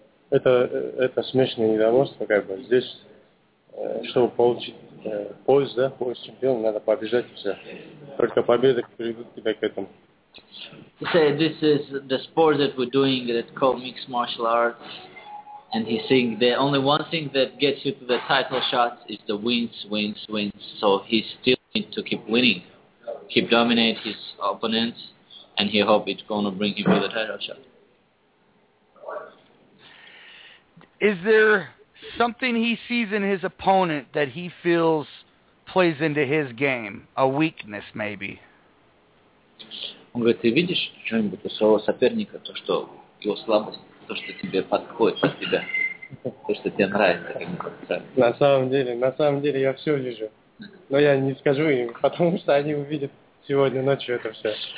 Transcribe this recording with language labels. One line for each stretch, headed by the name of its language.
Russian: Это смешное недовольство, как бы. Здесь, чтобы получить пояс, да, пояс чемпиона, надо побежать все. Только победы приведут тебя к этому.
English: He said this is the sport that we're doing that's called mixed martial arts. And he's saying the only one thing that gets you to the title shot is the wins. So he still needs to keep winning. Keep dominating his opponents and he hope it's gonna bring him to the title shot. Is there something he sees in his opponent that he feels plays into his game, a weakness maybe?
Russian: Он говорит, ты видишь что-нибудь у своего соперника, то, что его слабость, то, что тебе подходит под тебя, то, что тебе нравится? На самом деле, я все вижу. Но я не скажу им, потому что они увидят сегодня ночью это все.